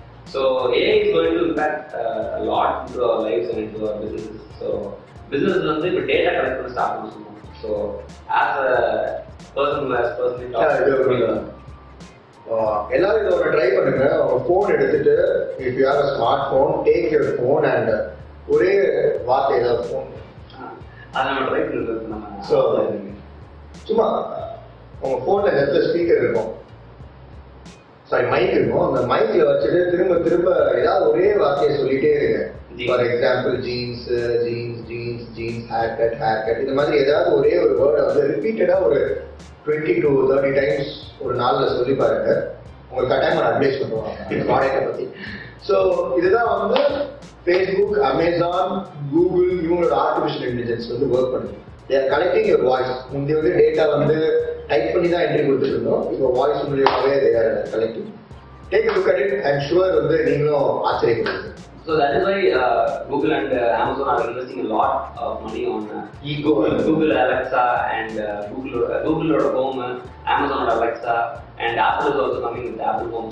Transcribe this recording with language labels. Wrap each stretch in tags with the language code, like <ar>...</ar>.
<en>So AI is going to impact a lot into our lives and into our businesses. So business is nothing but data collection start to move. So as a person who has personally talked to</en> <ta>எல்லாரும் இதை ஒரு try பண்ணுங்க. ஒரு phone எடுத்துட்டு</ta> <en>if you have a smart phone take your phone and</en> <ta>ஒரே வார்த்தை ஏதாவது phone அதை நம்ம ட்ரை பண்ணுறது நம்ம ஸோ சும்மா உங்கள் ஃபோனில் நெட்ல ஸ்பீக்கர் இருக்கும் சாரி மைக் இருக்கும் அந்த மைக்ல வச்சுட்டு திரும்ப திரும்ப ஏதாவது ஒரே வார்த்தையை சொல்லிட்டே இருக்கேன்.</ta> <en>for example</en> <ta>jeans jeans jeans jeans hair cut hair cut இந்த மாதிரி ஏதாவது ஒரே ஒரு வேர்டை வந்து ரிப்பீட்டடாக ஒரு 20-30 டைம்ஸ் ஒரு நாளில் சொல்லி பாருங்க. உங்களுக்கு கட்டாயமாக அட்வைஸ் பண்ணுவாங்க இந்த ப்ராடக்டை பற்றி. ஸோ இதுதான் வந்து ஃபேஸ்புக் அமேசான் கூகுள் இவங்களோட ஆர்டிஃபிஷியல் இன்டெலிஜென்ஸ் வந்து ஒர்க் பண்ணுது.</ta> <en>They are collecting your voice.</en> <ta>முந்தைய வந்து டேட்டா வந்து டைப் பண்ணி தான் என்ட்ரி கொடுத்துருந்தோம். இப்போ வாய்ஸ் மூலியமாகவே</ta> <en>They are collecting. Take look at it and sure</en> <ta>வந்து நீங்களும் ஆச்சரியப்படுது.</ta> <en>So that is why Google and Amazon are investing a lot of money on Google Alexa and Google Home, Amazon Alexa, and Apple is also coming with Apple Home.</en>